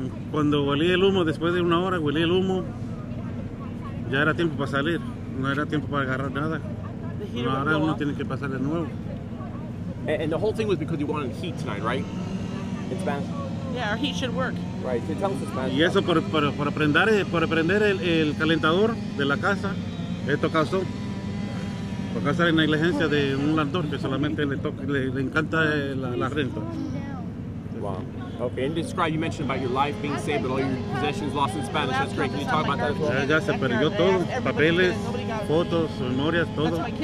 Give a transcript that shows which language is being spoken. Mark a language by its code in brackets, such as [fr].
[es] Cuando olí el humo, después de una hora, olí el humo. Ya era tiempo para salir, no era tiempo para agarrar nada. No, ahora uno tiene que pasar de nuevo. [en] And the whole thing was because you wanted heat tonight, right? In Spanish. Yeah, our heat should work. Right, so tell us in Spanish. [es] Y eso por aprender el calentador de la casa, esto causó. Por causa de la negligencia de un landlord que solamente le encanta la renta. [en] Wow. Okay, and describe, you mentioned about your life being saved, but all your possessions lost in Spanish. That's great. Can you talk about that as well? [es] Ya se perdió todo, papeles, fotos, memorias, todo.